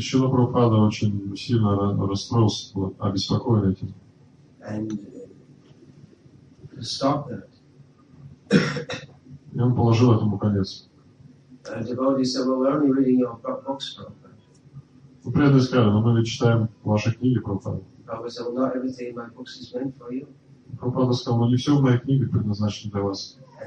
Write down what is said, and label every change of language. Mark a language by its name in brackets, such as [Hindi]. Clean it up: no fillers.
[Russian] И Шрила Прабхупада очень сильно расстроился, был обеспокоен этим. [English] And to stop that. [Russian] И он положил этому конец. [English] And the devotee said, well, we're only reading your books, bro. [Russian] Вы преданные сказали, но мы ведь читаем ваши книги, Прабхупада. Прабхупада сказал, но не все в моей книге предназначено для вас.